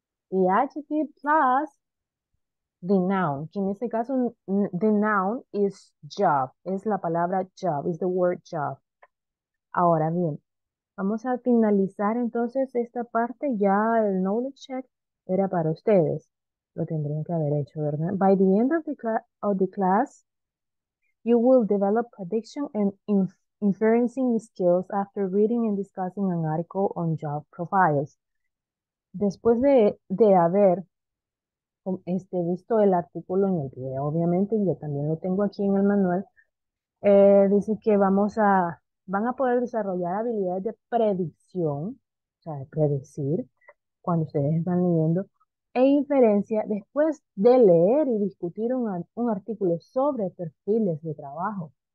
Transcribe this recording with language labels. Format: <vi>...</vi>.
<en>Y adjective plus the noun,</en> <es>que en este caso</es> <en>the noun is job,</en> <es>es la palabra</es> <en>job, is the word job.</en> <es>Ahora bien, vamos a finalizar entonces esta parte, ya el knowledge check era para ustedes, lo tendrían que haber hecho, ¿verdad?</es> <en>By the end of the class, you will develop prediction and inferencing skills after reading and discussing an article on job profiles.</en> <es>Después de haber visto el artículo en el video, obviamente, y yo también lo tengo aquí en el manual, dice que van a poder desarrollar habilidades de predicción, o sea, de predecir cuando ustedes están leyendo, e inferencia después de leer y discutir un artículo sobre perfiles de trabajo.</es>